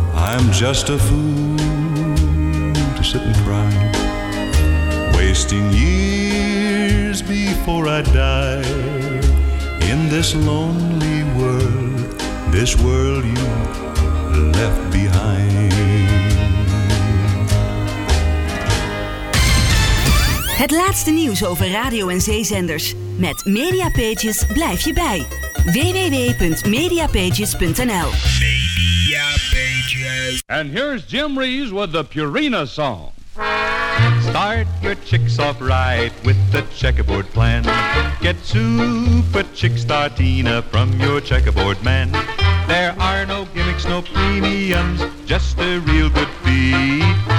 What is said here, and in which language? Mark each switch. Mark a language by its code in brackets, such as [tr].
[en] I'm just a fool to sit and cry, wasting years before I die in this lonely world, this world you left behind. [nl] Het laatste nieuws over radio en zeezenders. Met Mediapages blijf je bij. www.mediapages.nl. Mediapages. [en] And here's Jim Reeves with the Purina song. Start your chicks off right with the checkerboard plan. Get super chick startina from your checkerboard man. There are no gimmicks, no premiums, just a real good feed.